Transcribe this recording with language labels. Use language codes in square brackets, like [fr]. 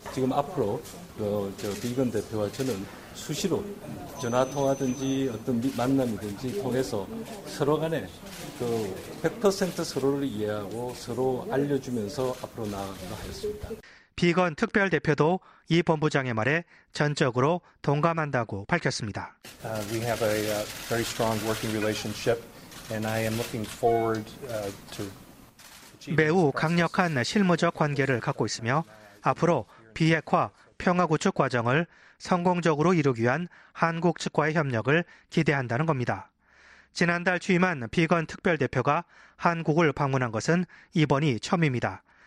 [ko] 지금 앞으로 비건 대표와 저는 수시로 전화통화든지 어떤 만남이든지 통해서 서로 간에 100% 서로를 이해하고 서로 알려주면서 앞으로 나아가 하겠습니다. 비건 특별대표도 이 본부장의 말에 전적으로 동감한다고 밝혔습니다. [en] We have a very strong working relationship and I am looking forward to [ko] 매우 강력한 실무적 관계를 갖고 있으며 앞으로 비핵화, 평화 구축 과정을 성공적으로 이루기 위한 한국 측과의 협력을 기대한다는 겁니다. 지난달 취임한 비건 특별대표가 한국을 방문한 것은 이번이 처음입니다.